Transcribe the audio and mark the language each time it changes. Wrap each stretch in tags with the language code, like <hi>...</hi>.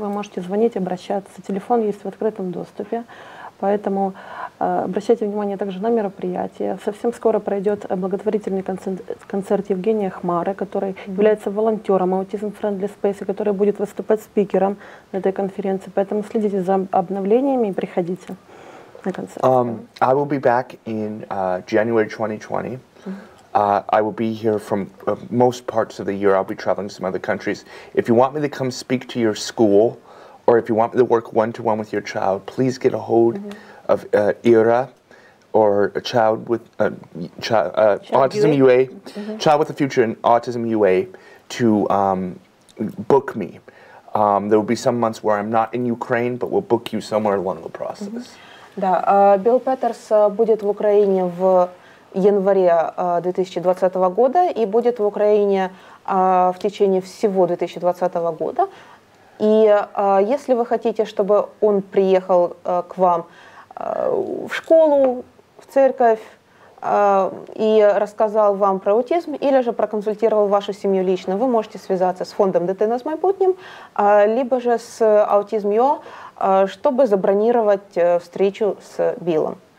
<ru>Вы можете звонить, обращаться. Телефон есть в открытом доступе, поэтому обращайте внимание также на мероприятие. Совсем скоро пройдет благотворительный концерт Евгения Хмары, который является волонтером Autism Friendly Space, который будет выступать спикером на этой конференции. Поэтому следите за обновлениями и приходите на концерт.</ru> <en>I will be back in January 2020. I will be here from most parts of the year. I'll be traveling to some other countries. If you want me to come speak to your school, or if you want me to work one-to-one with your child, please get a hold of Ira, or a child with autism UA, child with a future in autism UA, to book me. There will be some months where I'm not in Ukraine, but we'll book you somewhere along the process.</en> <ru>Да, Билл Петерс будет в Украине в январе 2020 года и будет в Украине в течение всего 2020 года. И если вы хотите, чтобы он приехал к вам в школу, в церковь и рассказал вам про аутизм или же проконсультировал вашу семью лично, вы можете связаться с фондом «Дети нас майбутнім», либо же с Autism.ua, чтобы забронировать встречу с Биллом.</ru>